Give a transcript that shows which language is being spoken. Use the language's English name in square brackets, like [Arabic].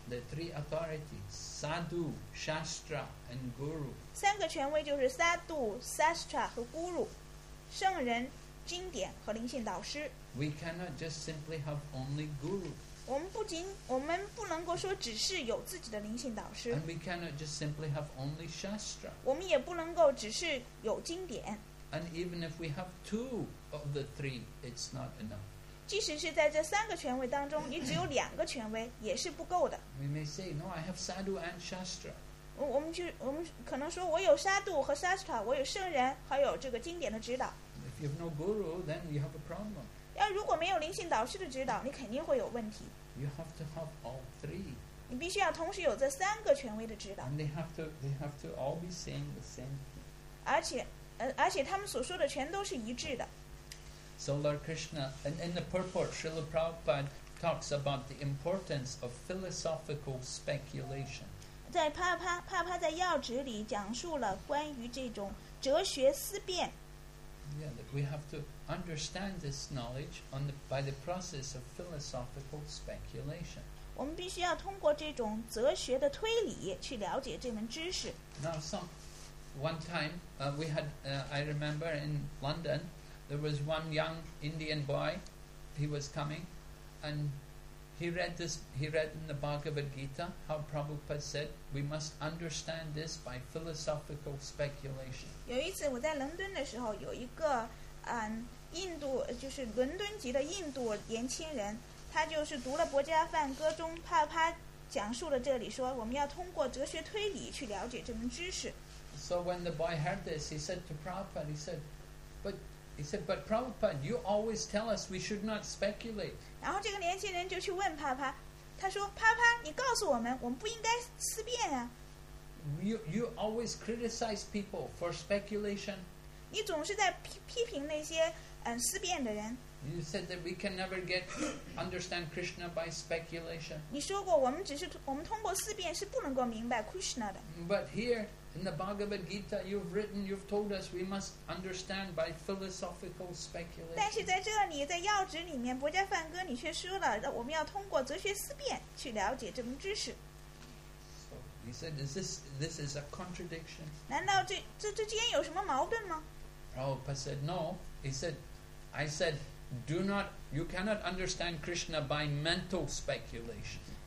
[English] The three authorities: Sadhu, Shastra, and Guru. [Chinese] 三个权威就是 Sadhu, Shastra 和 Guru， 圣人。经典和灵性导师。 [English] We cannot just simply have only guru. [Chinese] 我们不能够说只是有自己的灵性导师。 [English] And we cannot just simply have only shastra. [Chinese] 我们也不能够只是有经典。 [English] And even if we have two of the three, it's not enough. [Chinese] 即使是在这三个权威当中，你只有两个权威也是不够的。 [English] We may say, no, I have sadhu and shastra. [Chinese] 我们可能说我有沙度和 shastra， 我有圣人，还有这个经典的指导。 [English] If you have no guru, then you have a problem. [Chinese] 要如果没有灵性导师的指导，你肯定会有问题。 [English] You have to have all three. [Chinese] 你必须要同时有这三个权威的指导。 [English] And they have to all be saying the same thing. [Chinese] 而且他们所说的全都是一致的。 [English] So Lord Krishna, and in the purport, Srila Prabhupada talks about the importance of philosophical speculation. [Chinese] 在帕帕在要旨里讲述了关于这种哲学思辨。 [English] Yeah, that we have to understand this knowledge on the, by the process of philosophical speculation. [Chinese] 我们必须要通过这种哲学的推理去了解这门知识。 [English] Now, one time, I remember in London, there was one young Indian boy. He was coming, and he read in the Bhagavad Gita how Prabhupada said we must understand this by philosophical speculation. [Chinese] 有一次我在伦敦的时候，有一个印度，就是伦敦籍的印度年轻人，他就是读了《博迦梵歌》中帕帕讲述了这里说，我们要通过哲学推理去了解这门知识。 [English] So when the boy heard this, he said to Prabhupada, he said, but Prabhupada, you always tell us we should not speculate. [Chinese] 然后这个年轻人就去问帕帕，他说，帕帕，你告诉我们不应该思辨啊。 [English] You always criticize people for speculation. [Chinese] 你总是在批评那些思辨的人。 [English] You said that we can never get understand Krishna by speculation. [Chinese] 你说过我们通过思辨是不能够明白 Krishna 的。 [English] But here in the Bhagavad Gita, you've told us we must understand by philosophical speculation. [Chinese] 但是在这里，在要旨里面，博伽梵歌你却说了，我们要通过哲学思辨去了解这门知识。 [English] So he said, "This is a contradiction." [Chinese] 难道这之间有什么矛盾吗？ [English] Prabhupada said, "No." He said, "I said." Do not, you cannot understand Krishna by mental speculation.